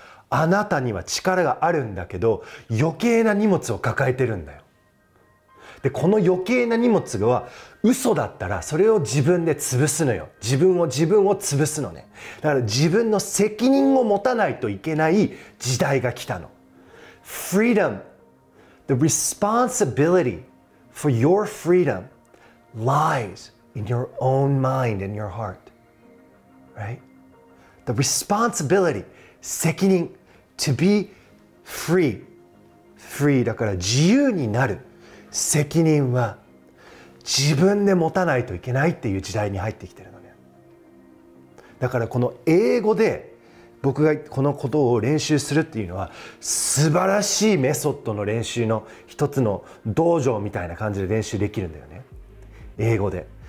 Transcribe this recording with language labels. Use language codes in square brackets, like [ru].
[ja] あなたには力があるんだけど、余計な荷物を抱えてるんだよ。でこの余計な荷物は嘘だったら、それを自分で潰すのよ。自分を潰すのね。だから自分の責任を持たないといけない時代が来たの。 [en] Freedom, the responsibility for your freedom lies in your own mind and your heart. Right? The responsibility, 責任 to be free. [ja] Free, だから自由になる責任は自分で持たないといけないっていう時代に入ってきてるのね。だからこの英語で僕がこのことを練習するっていうのは、素晴らしいメソッドの練習の一つの道場みたいな感じで練習できるんだよね。英語で。